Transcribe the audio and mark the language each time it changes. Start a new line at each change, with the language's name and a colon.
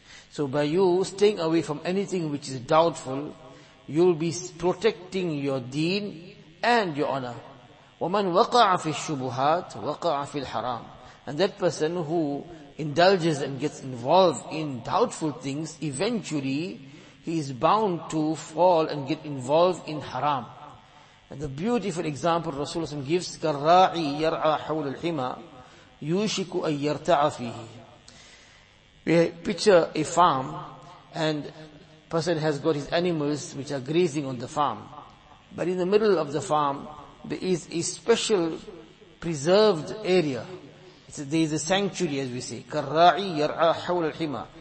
English: So by you staying away from anything which is doubtful, you'll be protecting your deen and your honor.
Arabic: وَمَنْ وَقَعَ فِي الشُّبُهَاتِ وَقَعَ فِي الْحَرَامِ,
English: and that person who indulges and gets involved in doubtful things, eventually he is bound to fall and get involved in haram. And the beautiful example Rasulullah gives,
Arabic: كَالرَّاعِي يَرْعَى حَوْلَ الْحِمَى يُوشِكُ أَنْ يَرْتَعَ فِيهِ.
English: We picture a farm and person has got his animals which are grazing on the farm. But in the middle of the farm, there is a special preserved area. There is a sanctuary, as we say.
Arabic: كَالرَّاعِي يَرْعَى حَوْلَ الْحِمَى.